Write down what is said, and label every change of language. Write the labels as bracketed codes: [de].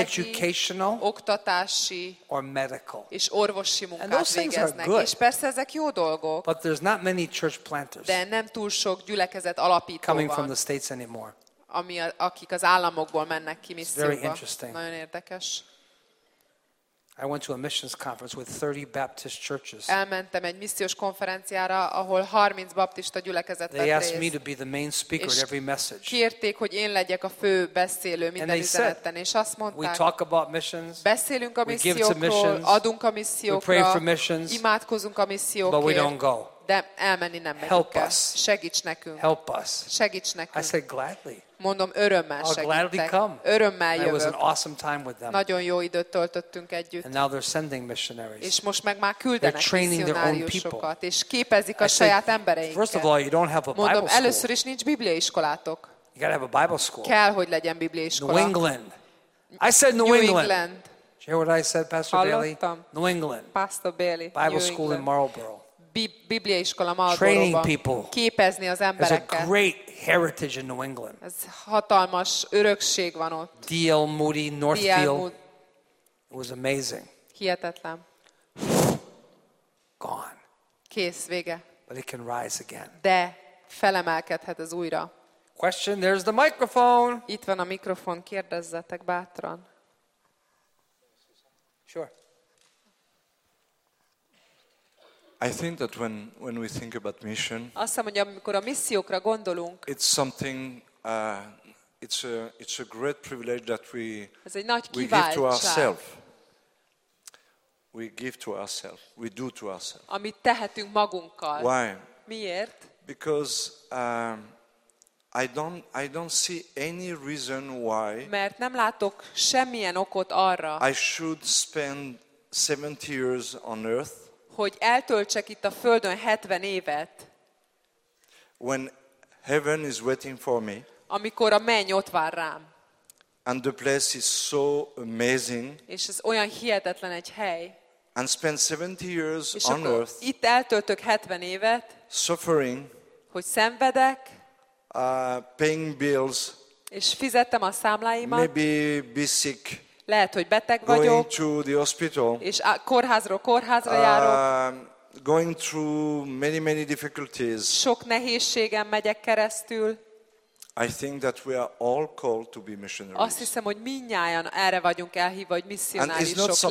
[en] educational, [hu] oktatási, [en] or medical. [hu] És orvosi munkát [en] and those [hu] végeznek. [en] Things are good. [hu] És persze ezek jó dolgok. [en] But there's not many church planters. [hu] De nem túl sok gyülekezet alapító van. [en] Coming from the states anymore. [hu] Ami a, akik az államokból mennek ki misszióba. [en] Very interesting. [hu] Nagyon érdekes. [en] I went to a missions conference with 30 Baptist churches. [hu] Elmentem egy missziós konferenciára, ahol 30 baptista gyülekezet vett részt. [en] They asked me to be the main speaker at every message. [hu] Kérték, hogy én legyek a fő beszélő minden üzenetben, és azt mondták. [en] We talk about missions. [hu] Beszélünk a missziókról. [en] We give to missions. [hu] Adunk a missziókra. [en] We pray for missions. [hu] Imádkozunk a missziókért. [en] But we don't go. [hu] De elmenni nem megyünk. [en] Help us. [hu] Segíts nekünk. [en] Help us. [hu] Segíts nekünk. [en] I said gladly. [hu] Mondom, örömmel segítek. [en] I'll gladly come. [hu] Örömmel jövök. [en] It was an awesome time with them. [hu] Nagyon jó időt töltöttünk együtt. [en] And now they're sending missionaries. [hu] És most meg már küldenek missionáriusokat, és képezik a saját embereinket. [en] First of all, you don't have a Bible school. [hu] Mondom, először is nincs bibliaiskolátok. [en] You gotta have a Bible school. [hu] Kell, hogy legyen bibliaiskola. [en] New England. I said New England. Did you hear what I said, Pastor Bailey? New England. Pastor Bailey. Bible school in Marlboro. [hu] Bibliaiskola Marlboro. [en] Training people. [hu] Képezni az embereket. [en] There's a great heritage in New England. [hu] Ez hatalmas örökség van ott. [en] D.L. Moody, Northfield. It was amazing. [hu] Hihetetlen. [en] Gone. [hu] Kész, vége. [en] But it can rise again. [hu] De felemelkedhet ez újra. [en] Question, there's the microphone. [hu] Itt van a mikrofon, kérdezzetek bátran. [en] Sure. I think that when we think about mission, [hu] azt hiszem, hogy amikor a missziókra gondolunk, [en] it's something it's a great privilege that we give to ourselves. We give to ourselves. We do to ourselves. [hu] Amit tehetünk magunkkal. [en] Why? [hu] Miért? [en] Because I don't see any reason why. [hu] Mert nem látok semmilyen okot arra. [en] I should spend 70 years on earth. [hu] Hogy eltöltsek itt a földön 70 évet. [en] When heaven is waiting for me. [hu] Amikor a menny ott vár rám. [en] And the place is so amazing. [hu] És ez olyan hihetetlen egy hely. [en] And spend 70 years on earth. [hu] Itt eltöltök 70 évet. [en] Suffering. [hu] Hogy szenvedek. [en] Paying bills. [hu] És fizettem a számláimat. [en] Maybe be sick. [hu] Lehet, hogy beteg [en] going [hu] vagyok. [en] To the hospital, [hu] és kórházról kórházra járok. [en] Going through many many difficulties. [hu] Sok nehézségen megyek keresztül. [en] I think that we are all called to be missionaries. [hu] Azt hiszem, hogy mindnyájan erre vagyunk elhívva, hogy missionáriusok